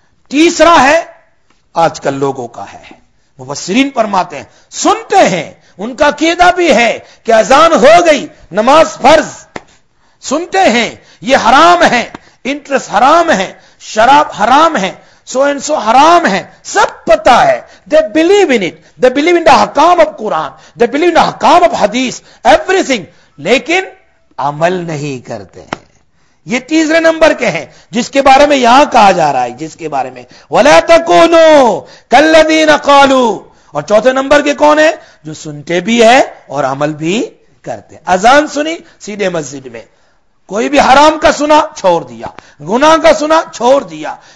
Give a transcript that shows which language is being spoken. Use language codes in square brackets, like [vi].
[ur] تیسرا ہے آج کل لوگوں کا ہے, مفسرین فرماتے ہیں سنتے ہیں, ان کا عقیدہ بھی ہے کہ اذان ہو گئی نماز فرض, سنتے ہیں یہ حرام ہے, انٹرسٹ حرام ہے, شراب حرام ہے, [en] so and so [ur] حرام ہے, سب پتا ہے. [en] they believe in it, they believe in the حکام of Quran, they believe in the حکام of حدیث, everything, [ur] لیکن عمل نہیں کرتے ہیں. یہ تیسرے نمبر کے ہیں جس کے بارے میں یہاں کہا جا رہا ہے, جس کے بارے میں [ar] ولا تکونوا کالذین قالوا. [ur] اور چوتھے نمبر کے کون ہیں؟ جو سنتے بھی ہے اور عمل بھی کرتے ہیں. اذان سنی سیدھے مسجد میں, کوئی بھی حرام کا سنا چھوڑ دیا, گناہ کا سنا چھوڑ دیا.